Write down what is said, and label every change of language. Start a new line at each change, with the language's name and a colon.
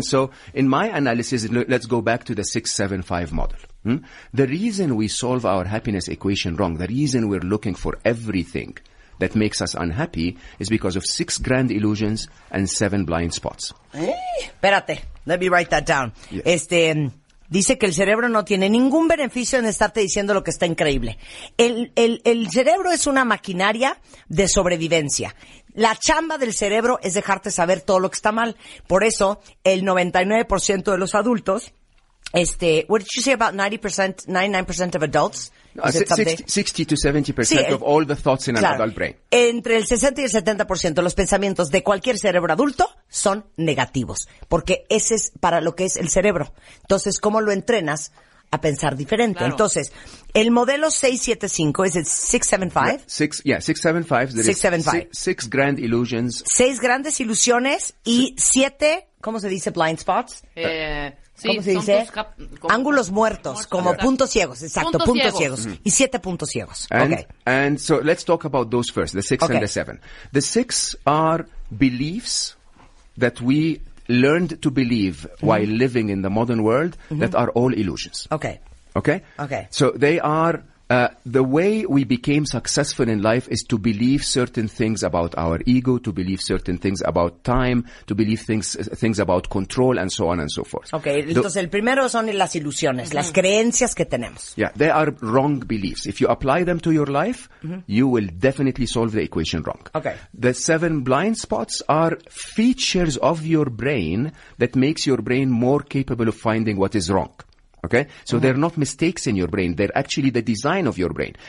English: And so in my analysis, let's go back to the 675 model. The reason we solve our happiness equation wrong, the reason we're looking for everything that makes us unhappy is because of 6 grand illusions and 7 blind spots.
Spanish: Espérate.
English: Let me write that down. Yes.
Spanish: Dice que el cerebro no tiene ningún beneficio en estarte diciendo lo que está increíble. El cerebro es una maquinaria de sobrevivencia. La chamba del cerebro es dejarte saber todo lo que está mal. Por eso, el 99% de los adultos,
English: what did you say about 90%, 99% of adults? 60 to 70% of all the thoughts in an adult brain.
Spanish: Entre el 60 y el 70% de los pensamientos de cualquier cerebro adulto son negativos. Porque ese es para lo que es el cerebro. Entonces, ¿cómo lo entrenas a pensar diferente? Claro. Entonces, el modelo 675, ¿es el 675?
English: Yeah, 675. 675. Six grand illusions.
Spanish: 6 grandes ilusiones y 7, ¿cómo se dice?
English: Blind spots.
Spanish: ¿Cómo se dice? Ángulos muertos, como puntos ciegos. Exacto, puntos ciegos. Mm-hmm. Y 7 puntos ciegos.
English: And so let's talk about those first, the 6 and the 7. The 6 are beliefs that we learned to believe while living in the modern world that are all illusions. Okay. So they are, the way we became successful in life is to believe certain things about our ego, to believe certain things about time, to believe things about control, and so on and so forth.
Spanish: Okay, entonces el primero son las ilusiones, las creencias que tenemos.
English: Yeah, they are wrong beliefs. If you apply them to your life, you will definitely solve the equation wrong. Okay. The 7 blind spots are features of your brain that makes your brain more capable of finding what is wrong. Okay? So they're not mistakes in your brain. They're actually the design of your brain.